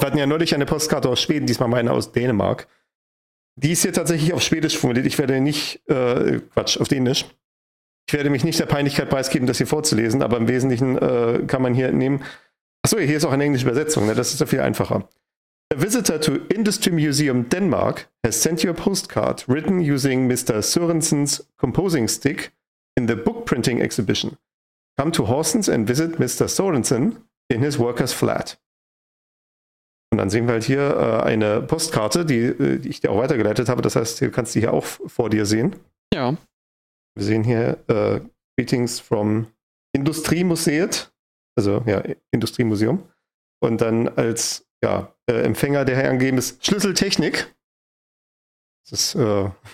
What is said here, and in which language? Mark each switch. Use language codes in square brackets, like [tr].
[de] Wir hatten ja neulich eine Postkarte aus Schweden, diesmal meine aus Dänemark. Die ist hier tatsächlich auf Schwedisch formuliert. Ich werde nicht, auf Dänisch. Ich werde mich nicht der Peinlichkeit preisgeben, das hier vorzulesen, aber im Wesentlichen kann man hier entnehmen. Achso, hier ist auch eine englische Übersetzung, ne? Das ist ja viel einfacher. [en] A visitor to Industry Museum Denmark has sent you a postcard written using Mr. Sørensens composing stick in the book printing exhibition. Come to Horsens and visit Mr. Sorensen in his workers' flat. [de] Und dann sehen wir halt hier eine Postkarte, die ich dir auch weitergeleitet habe. Das heißt, du kannst die hier auch vor dir sehen. Ja. Wir sehen hier [en] Greetings from [de] Industriemuseet, also ja, Industriemuseum. Und dann als ja, Empfänger, der hier angegeben ist, Schlüsseltechnik. Das ist...